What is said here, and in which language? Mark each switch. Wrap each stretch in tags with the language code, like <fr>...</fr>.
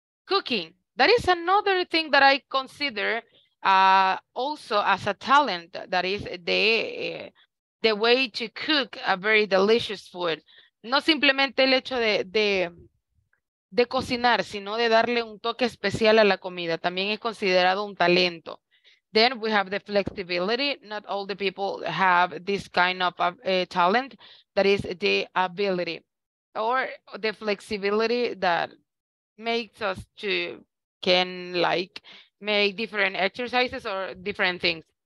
<en>Cooking, that is another thing that I consider also as a talent, that is the way to cook a very delicious food.</en> <es>No simplemente el hecho de cocinar, sino de darle un toque especial a la comida, también es considerado un talento.</es> <en>Then we have the flexibility. Not all the people have this kind of talent, that is the ability or the flexibility that makes us to can like make different exercises or different things.</en>